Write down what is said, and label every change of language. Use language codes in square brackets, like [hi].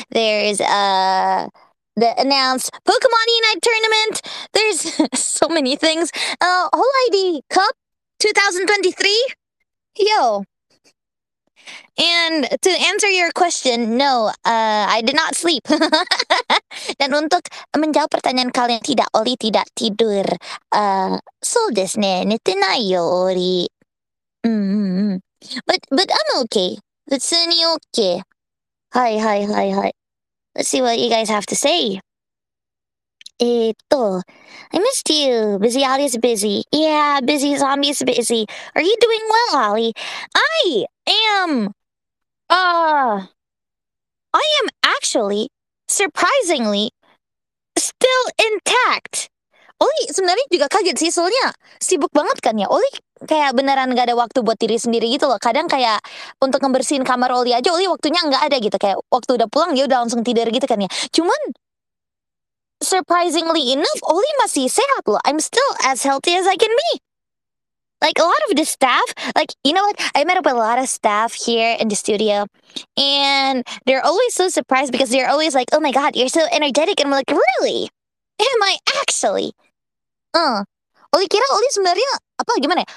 [en] There's a... the announced Pokemon Unite Tournament. There's so many things. Hololive Cup 2023? Yo. And to answer your question, no, I did not sleep. [id] Dan untuk menjawab pertanyaan kalian, tidak, Oli tidak tidur. [ja] So desu ne, nete nai yo, Oli. [en] But I'm okay. Sunny okay. Hi. Let's see what you guys have to say. I missed you. Busy Ollie's busy. Yeah, busy zombie's busy. Are you doing well, Ollie? I am. I am actually, surprisingly, still intact. [id] Oli sebenarnya juga kaget sih, soalnya sibuk banget kan ya. Oli kayak beneran gak ada waktu buat diri sendiri gitu loh. Kadang kayak untuk ngebersihin kamar Oli aja, Oli waktunya nggak ada gitu. Kayak waktu udah pulang, dia udah langsung tidur gitu kan ya. Cuman, [en] surprisingly enough, [id] Oli masih sehat loh. [en] I'm still as healthy as I can be. Like a lot of the staff, like you know what? I met up with a lot of staff here in the studio, and they're always so surprised because they're always like, "Oh my God, you're so energetic!" And I'm like, "Really? Am I actually?" [id] Oli kira Oli sebenarnya apa gimana?